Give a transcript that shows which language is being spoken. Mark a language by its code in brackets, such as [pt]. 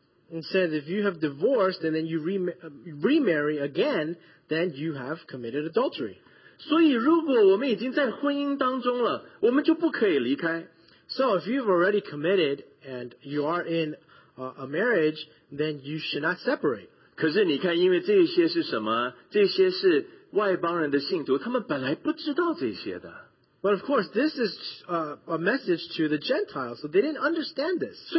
[en] And says, if you have divorced and then you remarry again, then you have committed adultery. [zh] 所以如果我们已经在婚姻当中了，我们就不可以离开。 [en] So if you've already committed and you are in a marriage, then you should not separate. [zh] 可是你看，因为这些是什么？这些是外邦人的信徒，他们本来不知道这些的。 [en] But of course, this is a message to the Gentiles, so they didn't understand this.